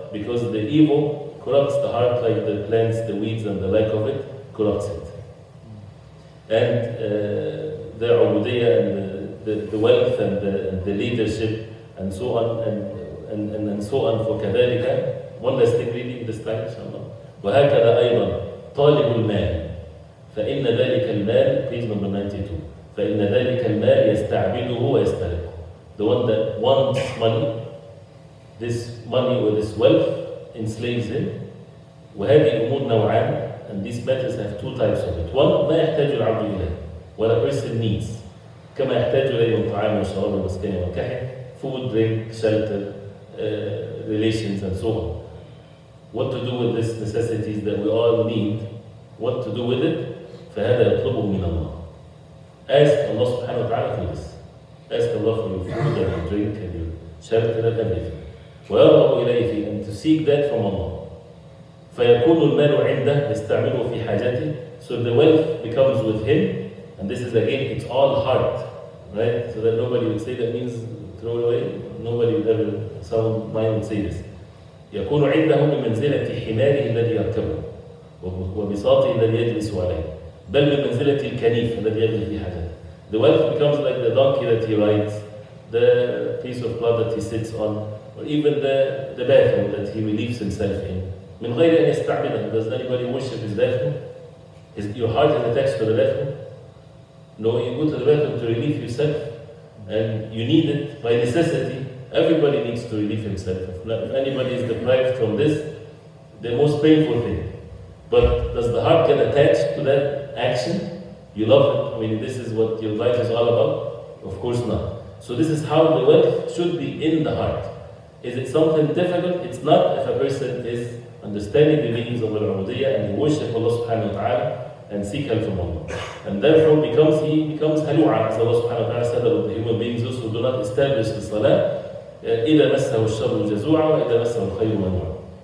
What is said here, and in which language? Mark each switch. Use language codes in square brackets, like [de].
[en] Because the evil corrupts the heart like the plants, the weeds and the like of it, corrupts it. And the عبودية and the wealth and the leadership and so on and so on for [ar] كذلك. [en] One last thing really in this time, inshallah. [ar] وهكذا أيضا طالب المال فإن ذلك المال, [en] page number 92, [ar] فإن ذلك المال يستعبده ويستهلكه. [en] The one that wants money, this money or this wealth enslaves him. [ar] وهذه الأمور نوعان, [en] and these matters have two types of it. One, [ar] ما يحتاج العبد إليه, [en] what a person needs. [ar] كما يحتاج إليه من طعام وشراب ومسكن وكحل, [en] food, drink, shelter, relations and so on. What to do with these necessities that we all need? What to do with it? [ar] فهذا يطلبه من الله. [en] Ask Allah subhanahu wa ta'ala for this. Ask Allah for your food and your drink and your shelter and everything. [ar] ويرغب إليه, [en] and to seek that from Allah. [ar] فيكون المال عنده يستعمله في حاجته. [en] So the wealth becomes with him. And this is again, it's all heart. Right? So that nobody would say that means throw it away. Nobody would ever, some mind would say this. [ar] يكون عنده من منزلة حماره الذي يركبه وبساطه الذي يجلس عليه بل من منزلة الكنيف الذي يجلس في حاجته. [en] The wealth becomes like the donkey that he rides, the piece of cloth that he sits on, or even the bathroom that he relieves himself in. [ar] من غير أن يستعبده. [en] Does anybody worship his bathroom? Is your heart is attached to the bathroom? No, you go to the bathroom to relieve yourself and you need it by necessity. Everybody needs to relieve himself. If anybody is deprived from this, the most painful thing. But does the heart get attached to that action? You love it. I mean, this is what your life is all about. Of course not. So this is how the wealth should be in the heart. Is it something difficult? It's not if a person is understanding the meanings of al-Ubudiyya and worship Allah subhanahu wa ta'ala and seek help from Allah. And therefore he becomes halu'a, as Allah subhanahu wa ta'ala said about the human beings, those who do not establish the salah. [ar] إِذَا مَسَّهُ الشَّرُّ جَزُوعًا وَإِذَا مَسَّهُ الْخَيْرُ مَنُوعًا.